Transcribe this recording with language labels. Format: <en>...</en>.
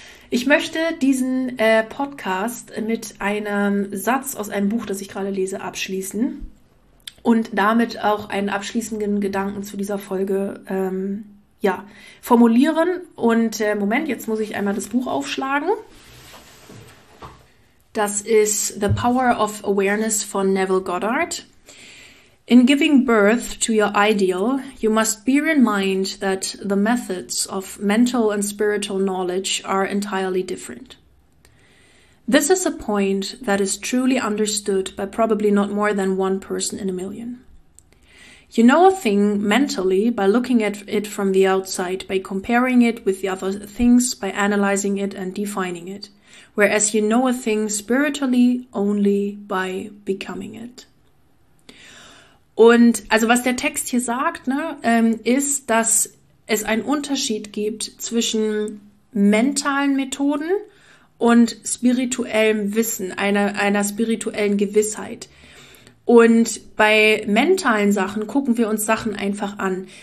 <de>Ich möchte diesen Podcast mit einem Satz aus einem Buch, das ich gerade lese, abschließen und damit auch einen abschließenden Gedanken zu dieser Folge formulieren. Und Moment, jetzt muss ich einmal das Buch aufschlagen. Das ist The Power of Awareness von Neville Goddard.</de> <en>In giving birth to your ideal, you must bear in mind that the methods of mental and spiritual knowledge are entirely different. This is a point that is truly understood by probably not more than one person in a million. You know a thing mentally by looking at it from the outside, by comparing it with the other things, by analyzing it and defining it, whereas you know a thing spiritually only by becoming it.</en> <de>Und also was der Text hier sagt, ne, ist, dass es einen Unterschied gibt zwischen mentalen Methoden und spirituellem Wissen, einer spirituellen Gewissheit. Und bei mentalen Sachen gucken wir uns Sachen einfach an.</de>